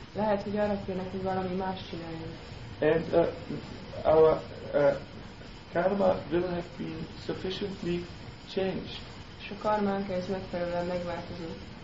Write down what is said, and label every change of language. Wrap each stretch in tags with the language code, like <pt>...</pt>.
<hu>Lehet, hogy arra kérnek, hogy valami más csináljunk.</hu> <en>And our karma will have been sufficiently changed.</en> <hu>És a karmánk ez megfelelően megváltozott.</hu>